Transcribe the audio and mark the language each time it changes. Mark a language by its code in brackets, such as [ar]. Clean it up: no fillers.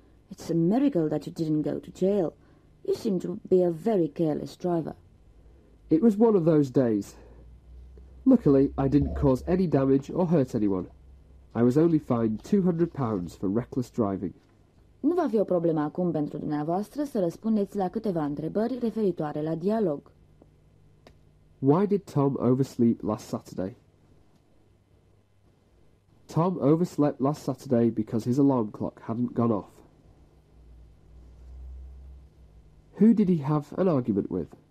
[en] It's a miracle that you didn't go to jail. You seem to be a very careless driver. It was one of those days. Luckily, I didn't cause any damage or hurt anyone. I was only fined £200 for reckless driving. [ro] Nu va fi o problemă acum pentru dumneavoastră să răspundeți la câteva întrebări referitoare la dialog. [en] Why did Tom oversleep last Saturday? Tom overslept last Saturday because his alarm clock hadn't gone off. Who did he have an argument with?